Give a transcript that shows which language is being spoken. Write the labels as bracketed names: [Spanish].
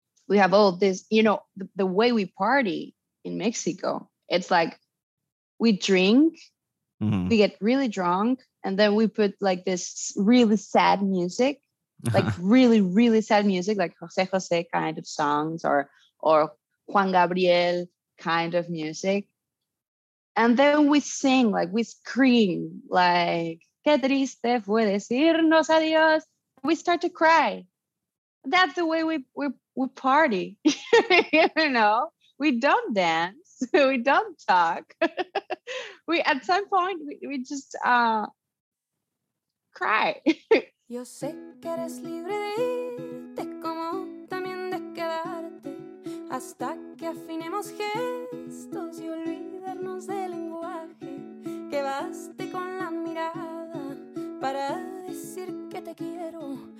[English] We have all this, you know, the way we party in Mexico, it's like we drink, we get really drunk, and then we put like this really sad music, like really, really sad music, like Jose Jose kind of songs or Juan Gabriel kind of music. And then we sing, like we scream, like, [Spanish] qué triste fue decirnos adiós. [English] We start to cry. That's the way we party, you know, we don't dance, we don't talk. We, at some point, we just cry. [Spanish] Yo sé que eres libre de irte, como también de quedarte, hasta que afinemos gestos y olvidarnos del lenguaje, que baste con la mirada para decir que te quiero.